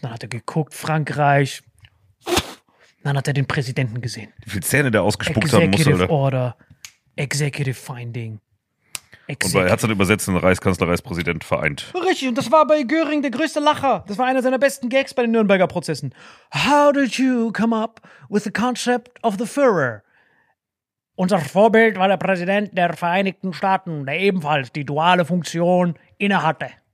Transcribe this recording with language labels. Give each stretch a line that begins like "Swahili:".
German: Dann hat er geguckt, Frankreich. Dann hat er den Präsidenten gesehen. Wie viele Zähne der ausgespuckt haben muss, oder?
English: Executive Order. Executive Finding.
German: Und er hat es dann übersetzt in Reichskanzler, Reichspräsident vereint. Richtig, und das war bei Göring der größte Lacher. Das war einer seiner besten Gags bei den Nürnberger Prozessen.
English: How did you come up with the concept of the Führer?
German: Unser Vorbild war der Präsident der Vereinigten Staaten, der ebenfalls die duale Funktion innehatte.